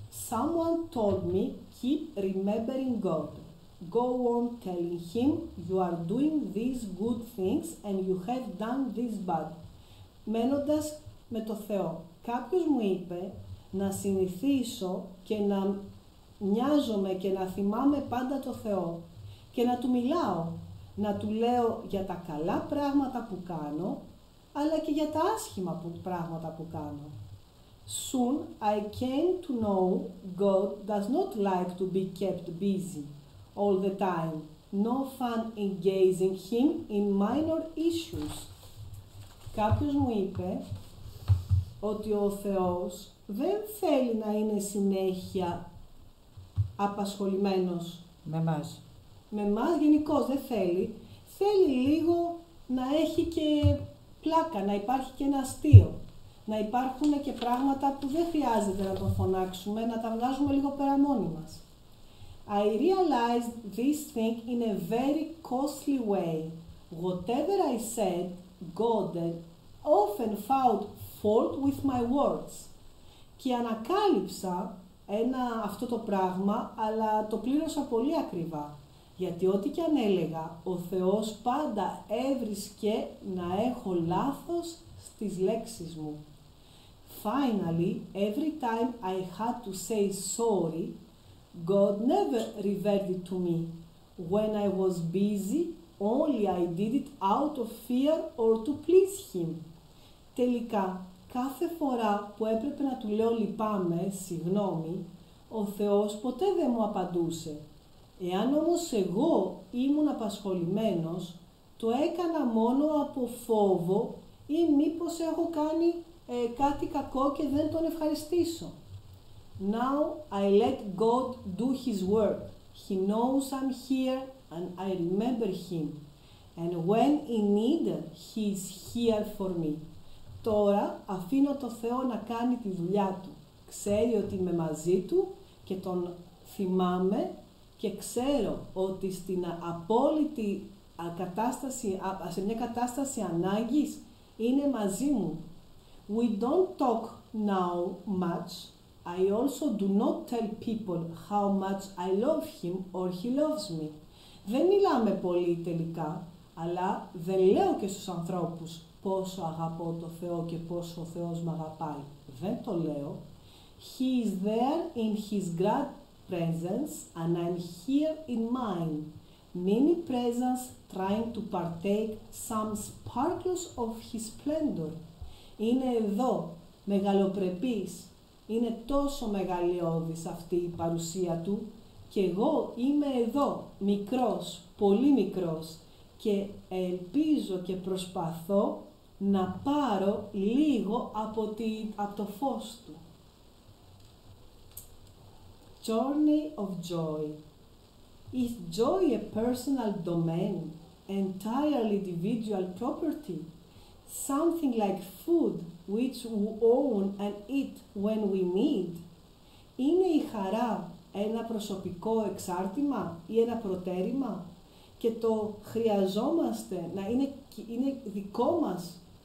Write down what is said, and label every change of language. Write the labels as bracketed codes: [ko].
[en] Someone told me, keep remembering God. Go on telling Him you are doing these good things and you have done these bad. [el] Μένοντας με το Θεό. Κάποιος μου είπε να συνηθίσω και να νοιάζομαι και να θυμάμαι πάντα το Θεό και να Του μιλάω, να Του λέω για τα καλά πράγματα που κάνω, αλλά και για τα άσχημα πράγματα που κάνω. [en] Soon I came to know God does not like to be kept busy all the time. No fun engaging Him in minor issues. [el] Κάποιος μου είπε ότι ο Θεός δεν θέλει να είναι συνέχεια απασχολημένος με εμάς. Με εμάς γενικώς δεν θέλει. Θέλει λίγο να έχει και πλάκα, να υπάρχει και ένα αστείο. Να υπάρχουν και πράγματα που δεν χρειάζεται να τον φωνάξουμε, να τα βγάζουμε λίγο πέρα μόνοι μας. [en] I realized this thing in a very costly way. Whatever I said, God did, often found fault with my words. [el] Και ανακάλυψα αυτό το πράγμα, αλλά το πλήρωσα πολύ ακριβά. Γιατί ό,τι και αν έλεγα, ο Θεός πάντα έβρισκε να έχω λάθος στις λέξεις μου. [en] Finally, every time I had to say sorry, God never reverted to me. When I was busy, only I did it out of fear or to please Him. [el] Τελικά, κάθε φορά που έπρεπε να του λέω λυπάμαι, συγγνώμη, ο Θεός ποτέ δεν μου απαντούσε. Εάν όμως εγώ ήμουν απασχολημένος, το έκανα μόνο από φόβο ή μήπως έχω κάνει κάτι κακό και δεν τον ευχαριστήσω. [en] Now I let God do His work. He knows I'm here and I remember Him. And when in need, He is here for me. [el] Τώρα αφήνω το Θεό να κάνει τη δουλειά Του. Ξέρει ότι είμαι μαζί Του και Τον θυμάμαι και ξέρω ότι στην απόλυτη κατάσταση, σε μια κατάσταση ανάγκης, είναι μαζί μου. [en] We don't talk now much. I also do not tell people how much I love him or he loves me. [el] Δεν μιλάμε πολύ τελικά, αλλά δεν λέω και στους ανθρώπους πόσο αγαπώ το Θεό και πόσο ο Θεός με αγαπάει. Δεν το λέω. [en] He is there in his great presence and I'm here in mine. Many presence trying to partake some sparkles of his splendor. [el] Είναι εδώ, μεγαλοπρεπής. Είναι τόσο μεγαλειώδης αυτή η παρουσία του και εγώ είμαι εδώ, μικρός, πολύ μικρός και ελπίζω και προσπαθώ να πάρω λίγο από το φως του. [en] Journey of joy. Is joy a personal domain, entirely individual property? Something like food, which we own and eat when we need. [el] Είναι η χαρά ένα προσωπικό εξάρτημα ή ένα προτέρημα και το χρειαζόμαστε να είναι δικό μας.